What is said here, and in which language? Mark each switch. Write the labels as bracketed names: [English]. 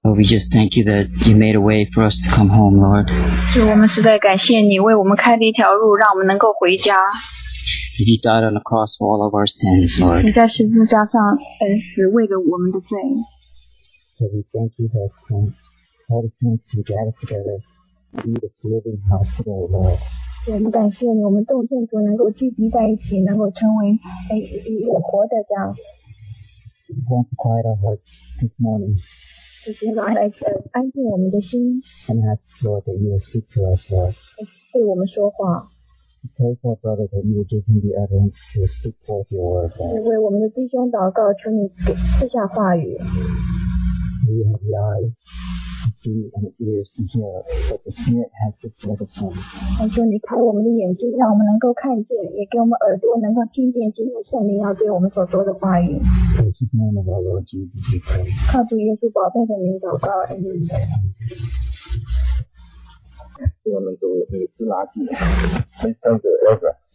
[English] we just thank you that you made a way for us to come home, Lord. [Chinese] 主，我们实在感谢你为我们开了一条路，让我们能够回家。 [English] You died on the cross for all of our sins, Lord. [Chinese] 你在十字架上恩死，为了我们的罪。 [English] So we thank you that all the saints can gather together to be this living house today, Lord. [Chinese] 我们感谢你，我们众圣徒能够聚集在一起，能够成为一个活的家。 [English] We want to quiet our hearts this morning. [Chinese] 就是拿来安静我们的心。 [English] And ask, Lord, that you will speak to us, Lord. [Chinese] 对我们说话。 [English] Pray for our brother that you would give him the utterance to speak forth your word. [Chinese] 为我们的弟兄祷告，求你赐下话语。 [English] We have the eyes to see and the ears to hear, but the Spirit has to give us some. [Chinese] 我说你开我们的眼睛，让我们能够看见，也给我们耳朵能够听见今天圣灵要对我们所说的话语。 [English] In the name of our Lord Jesus, we pray. [Chinese] 靠主耶稣宝贝的名祷告，阿门。我们读《以斯拉记》第三十二章。